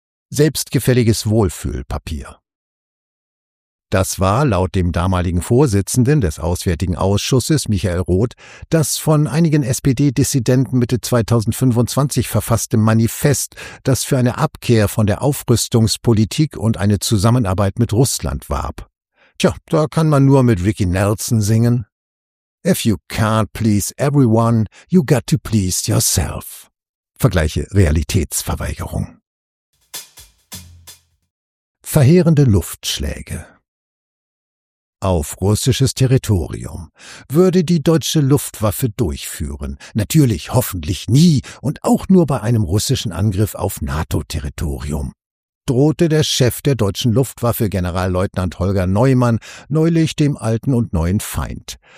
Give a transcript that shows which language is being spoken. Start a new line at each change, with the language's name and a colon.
German: Selbstgefälliges Wohlfühlpapier. Das war, laut dem damaligen Vorsitzenden des Auswärtigen Ausschusses, Michael Roth, das von einigen SPD-Dissidenten Mitte 2025 verfasste Manifest, das für eine Abkehr von der Aufrüstungspolitik und eine Zusammenarbeit mit Russland warb. Tja, da kann man nur mit Ricky Nelson singen.
English: If you can't please everyone, you got to please yourself.
German: Vergleiche Realitätsverweigerung. Verheerende Luftschläge. Auf russisches Territorium würde die deutsche Luftwaffe durchführen, natürlich hoffentlich nie und auch nur bei einem russischen Angriff auf NATO-Territorium, drohte der Chef der deutschen Luftwaffe, Generalleutnant Holger Neumann, neulich dem alten und neuen Feind.